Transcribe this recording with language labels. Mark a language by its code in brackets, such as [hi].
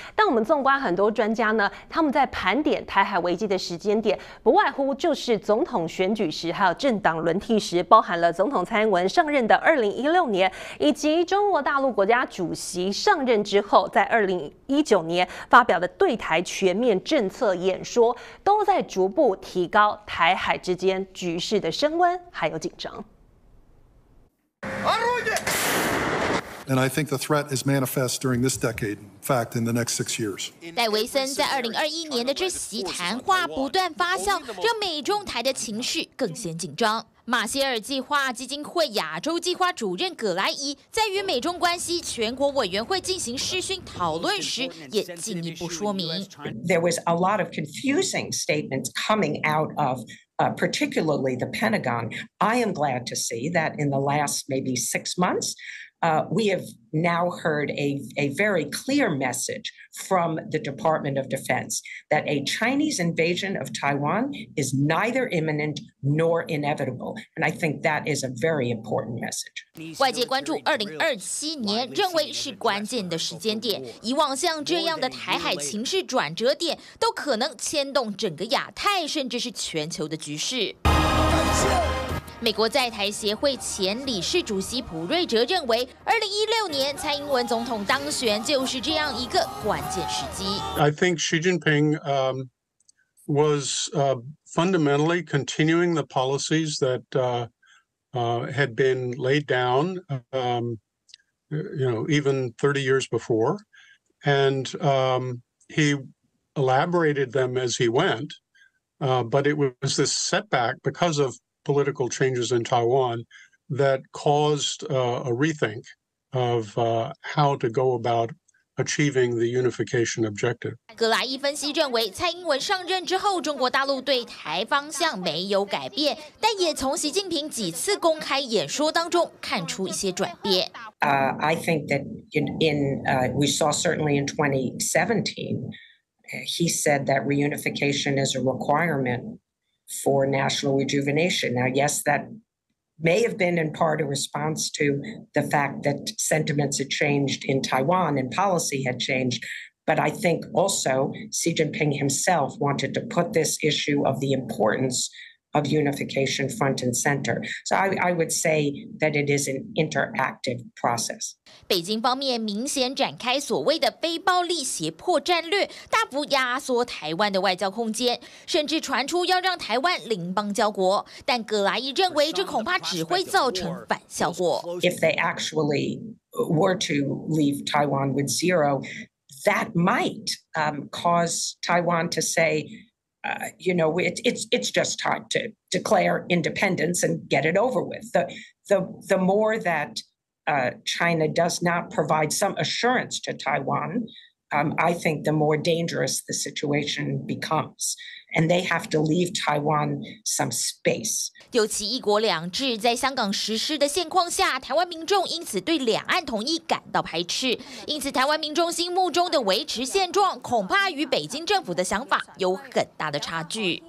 [zh] 但我们纵观很多专家呢，他们在盘点台海危机的时间点，不外乎就是总统选举时，还有政党轮替时，包含了总统蔡英文上任的2016年，以及中国大陆国家主席上任之后，在2019年发表的对台全面政策演说，都在逐步提高台海之间局势的升温还有紧张。 [en] And I think the threat is manifest during this decade, in fact, in the next six years. [zh] 戴维森在2021年的这席谈话不断发酵，让美中台的情绪更显紧张。马歇尔计划基金会亚洲计划主任葛莱伊在与美中关系全国委员会进行视讯讨论时，也进一步说明。 [en] There was a lot of confusing statements coming out of,particularly the Pentagon. I am glad to see that in the last maybe six months, We have now heard a very clear message from the Department of Defense that a Chinese invasion of Taiwan is neither imminent nor inevitable. And I think that is a very important message. [zh] 外界关注2027年，认为是关键的时间点。以往像这样的台海情势转折点，都可能牵动整个亚太，甚至是全球的局势。美国在台协会前理事主席普瑞哲认为，2016年蔡英文总统当选就是这样一个关键时机。 [en] I think Xi Jinping was fundamentally continuing the policies that had been laid down, even 30 years before, and he elaborated them as he went. But it was this setback because of. Political changes in Taiwan that caused a rethink of how to go about achieving the unification objective. [zh] 格拉伊分析认为，蔡英文上任之后，中国大陆对台方向没有改变，但也从习近平几次公开演说当中看出一些转变。 [en] I think that we saw certainly in 2017, he said that reunification is a requirement. For national rejuvenation. Now, yes, that may have been in part a response to the fact that sentiments had changed in Taiwan and policy had changed. But I think also Xi Jinping himself wanted to put this issue of the importance of unification front and center. So I would say that it is an interactive process. [zh] 北京方面明显展开所谓的非暴力胁迫战略，大幅压缩台湾的外交空间，甚至传出要让台湾邻邦交国。但葛莱伊认为，这恐怕只会造成反效果。 [en] If they actually were to leave Taiwan with zero, that might cause Taiwan to say, it's just time to declare independence and get it over with. The more that. China does not provide some assurance to Taiwan, I think the more dangerous the situation becomes. And they have to leave Taiwan some space. [zh] 尤其一国两制在香港实施的现况下，台湾民众因此对两岸统一感到排斥。因此，台湾民众心目中的维持现状，恐怕与北京政府的想法有很大的差距。